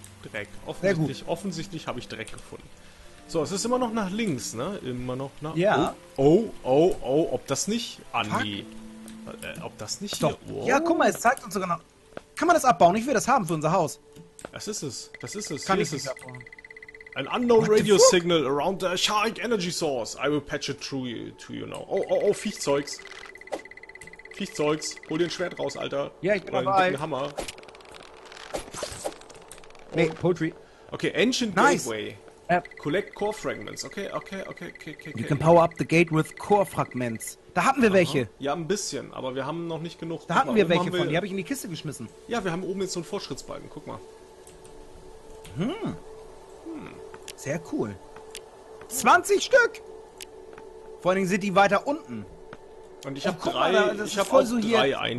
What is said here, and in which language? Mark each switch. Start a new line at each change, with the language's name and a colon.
German: Dreck. Offensichtlich habe ich Dreck gefunden. So, es ist immer noch nach links, ne? Immer noch nach... Ja. Oh. Ob das nicht... Andi. Ob das nicht... Doch. Hier? Oh. Ja, guck mal, es zeigt uns sogar noch... Kann man das abbauen? Ich will das haben für unser Haus. Das ist es. Kann ich das abbauen?
English: Ein unknown radio signal around the shark energy source. I will patch it through you, to you now.
German: Oh, Viechzeugs. Hol dir ein Schwert raus, Alter. Ja, ich bin dabei. Ein Hammer. Nee, Poetry.
English: Okay, Ancient Gateway. Nice. Collect core fragments. Okay. You can power up the gate with core fragments.
German: Da hatten wir welche. Ja, ein bisschen, aber wir haben noch nicht genug. Da hatten wir welche von, die habe ich in die Kiste geschmissen. Ja, wir haben oben jetzt so einen Fortschrittsbalken, guck mal. Hm. Sehr cool. 20 Stück! Vor allen Dingen sind die weiter unten. Und ich habe drei, ich habe auch drei einstecken.